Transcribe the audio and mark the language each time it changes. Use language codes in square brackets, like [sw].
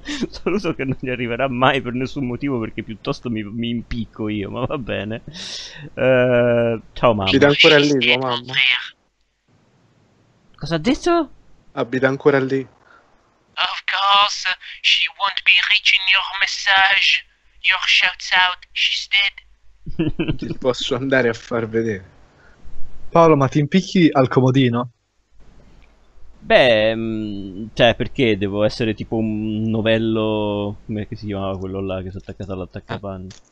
[it] Saluto che non gli arriverà mai per nessun motivo, perché piuttosto mi impicco io, ma va bene. Ciao mamma. Abita ancora lì tua mamma? Cosa ha detto? Abita ancora lì. [en] Of course, she won't be reaching your message, your shouts out, she's dead. [it] Ti posso andare a far vedere. Paolo, ma ti impicchi al comodino? Beh, cioè, perché devo essere tipo un novello, come che si chiamava quello là che si è attaccato all'attaccapanni?